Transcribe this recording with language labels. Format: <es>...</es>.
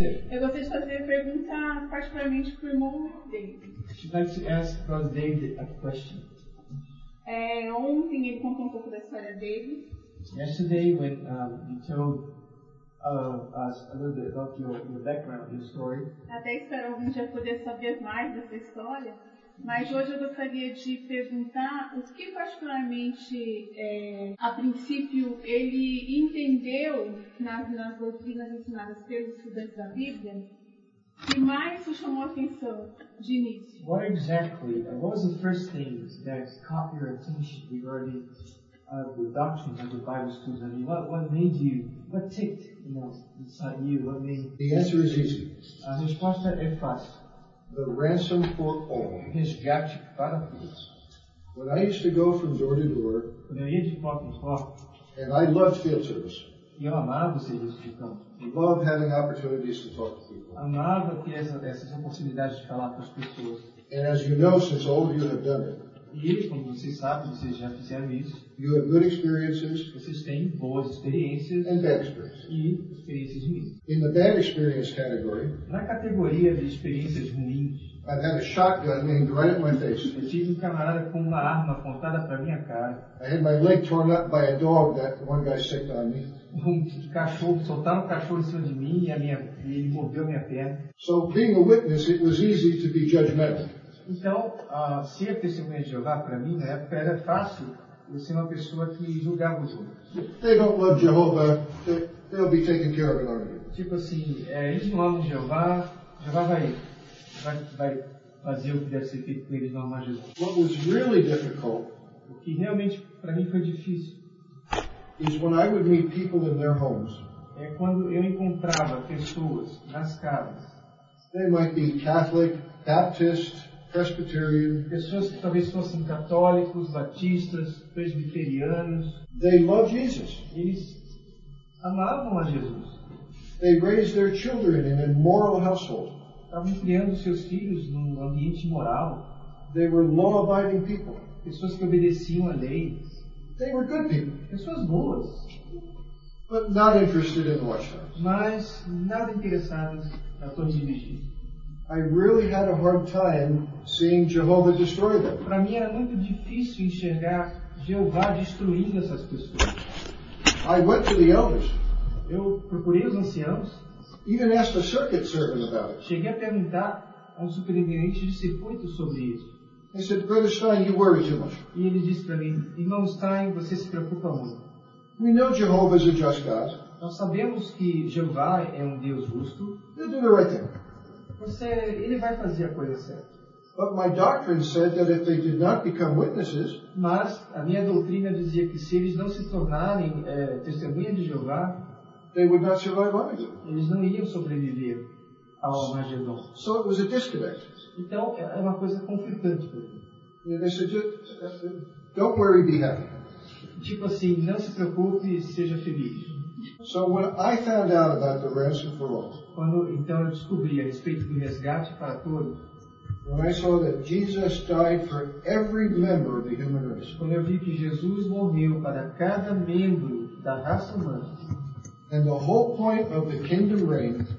<pt>É você fazer pergunta particularmente para o irmão David.</pt> <en>She'd like to ask Brother David a question.</en> <pt>É, ontem ele contou um pouco da história dele.</pt> <en>Yesterday when he told us a little bit about your background, your story.</en> <pt>Até espero algum dia poder saber mais dessa história. Mas hoje eu gostaria de perguntar o que particularmente, a princípio, ele entendeu nas doutrinas ensinadas pelos estudantes da Bíblia que mais o chamou a atenção de início.</pt> <en>What exactly, what was the first thing that caught your attention regarding the doctrine of the Bible schools? I mean, what made you, what ticked, you know, inside you, what made... The answer is easy.</en> <pt>A resposta é fácil.</pt> <en>The ransom for all.</en> <pt>Resgate para todos.</pt> <en>When I used to go from door to door, and I loved field service.</en> <pt>Eu amava serviço de campo.</pt> <en>Loved having opportunities to talk to people.</en> <pt>Amava ter essas oportunidades de falar com as pessoas.</pt> <en>And as you know, since all of you have done it.</en> <pt>E como vocês sabem, vocês já fizeram isso.</pt> <en>You have good experiences.</en> <pt>Vocês têm boas experiências.</pt> <en>And bad experiences.</en> <pt>E experiências ruins.</pt> <en>In the bad experience category.</en> <pt>Na categoria de experiências ruins.</pt> <en>I had a shotgun aimed right at my face.</en> <pt>Eu tive um camarada com uma arma apontada para minha cara.</pt> <en>I had my leg torn up by a dog that one guy sicked on me.</en> <pt>Um cachorro, soltaram um cachorro em cima de mim e ele mordeu minha perna.</pt> <en>So being a witness, it was easy to be judgmental.</en> <pt>Então, ser testemunha de Jeová, para mim, na época, era fácil eu ser uma pessoa que julgava os outros.</pt> <en>They don't love Jehovah, they'll be taken care of in our view.</en> <pt>Tipo assim, eles não amam Jeová, Jeová vai fazer o que deve ser feito com eles no amar Jesus.</pt> <en>What was really difficult,</en> <pt>o que realmente para mim foi difícil,</pt> <en>is when I would meet people in their homes.</en> <pt>É quando eu encontrava pessoas nas casas.</pt> <en>They might be Catholic, Baptist, Presbyterian.</en> <pt>Pessoas que talvez fossem católicos, batistas, presbiterianos.</pt> <en>They love Jesus.</en> <pt>Eles amavam a Jesus.</pt> <en>They raised their children in a moral household.</en> <pt>Estavam criando seus filhos num ambiente moral.</pt> <en>They were law-abiding people.</en> <pt>Pessoas que obedeciam a lei.</pt> <en>They were good people.</en> <pt>Pessoas boas.</pt> <en>But not interested in watchtowers.</en> <pt>Mas nada interessadas na torre de vigia.</pt> <en>I really had a hard time seeing Jehovah destroy them.</en> <pt>Para mim era muito difícil enxergar Jeová destruindo essas pessoas.</pt> <en>I went to the elders.</en> <pt>Eu procurei os anciãos.</pt> <en>Even asked a circuit servant about it.</en> <pt>Cheguei a perguntar a um superintendente de circuito sobre isso.</pt> <en>He said, "Brother Stein, you worry too much."</en> <pt>E ele disse para mim, "Irmão Stein, você se preocupa muito."</pt> <en>We know Jehovah is a just God.</en> <pt>Nós sabemos que Jeová é um Deus justo.</pt> <en>He'll do the right thing.</en> <pt>Ele vai fazer a coisa certa.</pt> <en>But my doctrine said that if they did not become witnesses,</en> <pt>mas a minha doutrina dizia que se eles não se tornarem testemunhas de Jeová,</pt> <en>they would not survive Armageddon.</en> <pt>Eles não iriam sobreviver ao Armageddon.</pt> <en>So it was a disconnect.</en> <pt>Então é uma coisa conflitante para mim.</pt> <en>And they said, "Don't worry, be happy."</en> <pt>Tipo assim, não se preocupe, seja feliz.</pt> <en>So when I found out about the ransom for all,</en> <pt>quando então eu descobri a respeito do resgate para todos,</pt> <en>when I saw that Jesus died for every member of the human race,</en> <pt>quando eu vi que Jesus morreu para cada membro da raça humana,</pt> <en>and the whole point of the kingdom reign,</en>